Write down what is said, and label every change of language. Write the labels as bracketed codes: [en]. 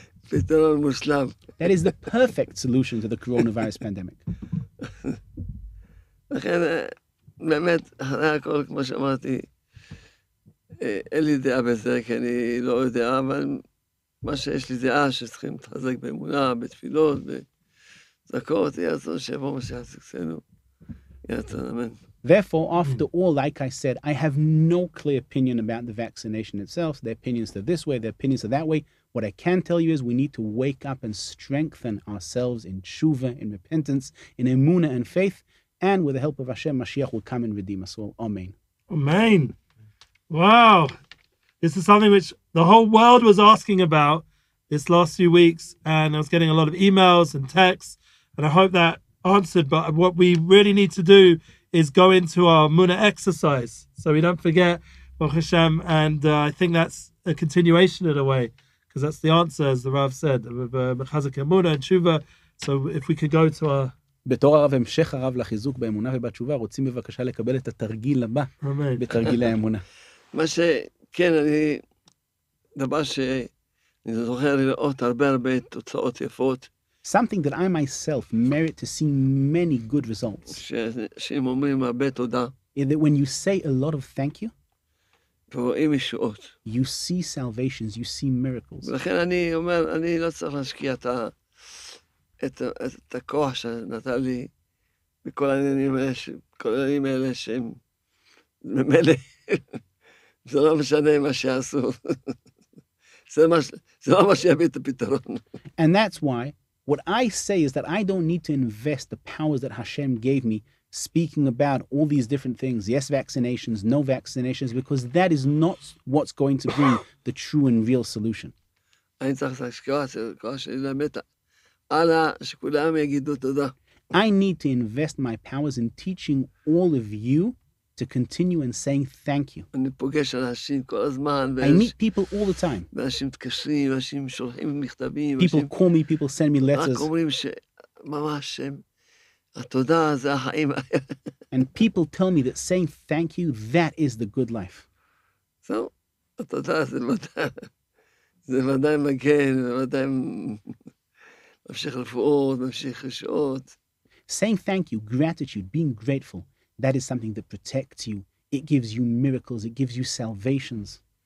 [en] That is the perfect solution to the coronavirus pandemic. [he] לכן, באמת, אחרי הכל, כמו שאמרתי, אין לי דעה בזה, כי אני לא יודע, אבל מה שיש לי דעה, שצריכים להתחזק באמונה, בתפילות, בזכות, יהיה רצון שיבוא מה שעסקנו. יהיה רצון, אמן. [en] Therefore, after all, like I said, I have no clear opinion about the vaccination itself. The opinions are this way, the opinions are that way. What I can tell you is we need to wake up and strengthen ourselves in tshuva, in repentance, in emunah and faith. And with the help of Hashem, Mashiach will come and redeem us all. Amen. Amen. Wow. This is something which the whole world was asking about this last few weeks. And I was getting a lot of emails and texts. And I hope that answered. But what we really need to do is go into our Muna exercise. So we don't forget, Baruch Hashem. And I think that's a continuation in a way. Because that's the answer, as the Rav said, with Mechazek Emunah and Tshuva. So if we could go to our... [he] בתור הרב, המשך הרב לחיזוק באמונה ובתשובה, רוצים בבקשה לקבל את התרגיל הבא בתרגיל האמונה. מה שכן, אני, דבר שאני זוכר לראות הרבה הרבה תוצאות יפות. [en] Something that I myself merit to see many good results. [he] שהם אומרים הרבה תודה. [en] Is that when you say a lot of thank you, [he] ורואים ישועות. [en] You see salvations, you see miracles. [he] ולכן אני אומר, אני לא צריך להשקיע את ה... את הכוח שנתן לי בכל העניינים האלה, כל העניינים האלה שהם ממלא. זה לא משנה מה שעשו. זה לא מה שיביא את הפתרון. [en] And that's why what I say is that I don't need to invest the powers that Hashem gave me speaking about all these different things, yes, vaccinations, no vaccinations, because that is not what's going to bring the true and real solution. [he] אני צריך להשקיע את הכוח שלי למטה. הלאה, שכולם יגידו תודה. [en] I need to invest my powers in teaching all of you to continue and saying thank you. [he] אני פוגש אנשים כל הזמן. [en] I meet people all the time. [he] אנשים מתקשרים, אנשים שולחים מכתבים. [en] People call me, people send me letters. [he] רק אומרים שממש הם, התודה זה החיים. [en] And people tell me that saying thank you, that is the good life. [he] So, התודה זה ודאי, זה ודאי מגן, זה ודאי ממשיך לפעות, ממשיך לשעות. [en] Saying thank you, gratitude, being grateful, that is something that protects you. It gives you miracles. It gives you salvations.